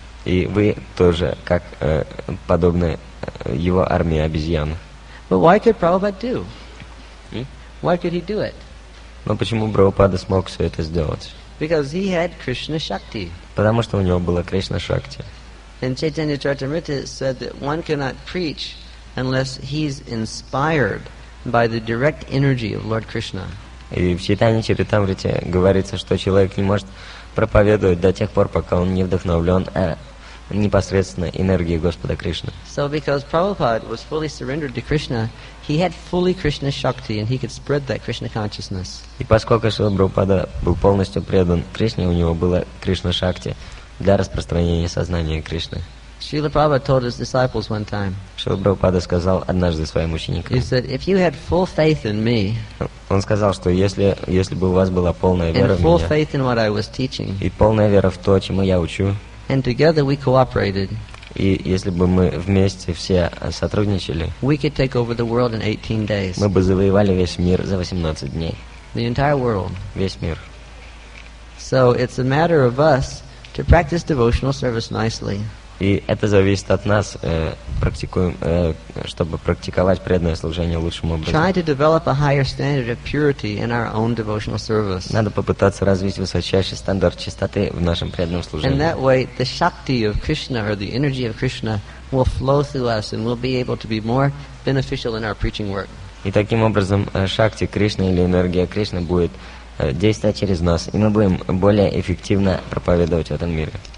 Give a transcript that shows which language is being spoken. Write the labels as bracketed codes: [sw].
[ru] И вы тоже, как подобны его армии обезьян. [en] But why could Prabhupada do? Why could he do it? [ru] Но почему Прабхупада смог все это сделать? [en] Because he had Krishna Shakti. [ru] Потому что у него была Кришна Шакти. [en] And Chaitanya Charitamrita said that one cannot preach unless he's inspired by the direct energy of Lord Krishna. [ru] И в Чайтанья Чаритамрите говорится, что человек не может проповедовать до тех пор, пока он не вдохновлен непосредственно энергией Господа Кришны. [en] So because Prabhupada was fully surrendered to Krishna, he had fully Krishna Shakti and he could spread that Krishna consciousness. [ru] И поскольку Шрила Прабхупада был полностью предан Кришне, у него было Кришна Шакти для распространения сознания Кришны. [en] Srila Prabhupada told his disciples one time. [ru] Шрила Прабхупада сказал однажды своим ученикам. [en] He said, if you had full faith in me. [ru] Он сказал, что если бы у вас была полная вера в меня. [en] And full faith in what I was teaching. [ru] И полная вера в то, чему я учу. [en] And together we cooperated. [ru] И если бы мы вместе все сотрудничали, [en] we could take over the world in 18 days. [ru] Мы бы завоевали весь мир за 18 дней. [en] The entire world. [ru] Весь мир. [en] So it's a matter of us to practice devotional service nicely. [ru] И это зависит от нас, чтобы практиковать преданное служение лучшим образом. [en] Try to develop a higher standard of purity in our own devotional service. [ru] Надо попытаться развить высочайший стандарт чистоты в нашем преданном служении. [en] And that way, the shakti of Krishna or the energy of Krishna will flow through us, and we'll be able to be more beneficial in our preaching work. [ru] И таким образом, шакти Кришны или энергия Кришны будет действовать через нас, и мы будем более эффективно проповедовать в этом мире.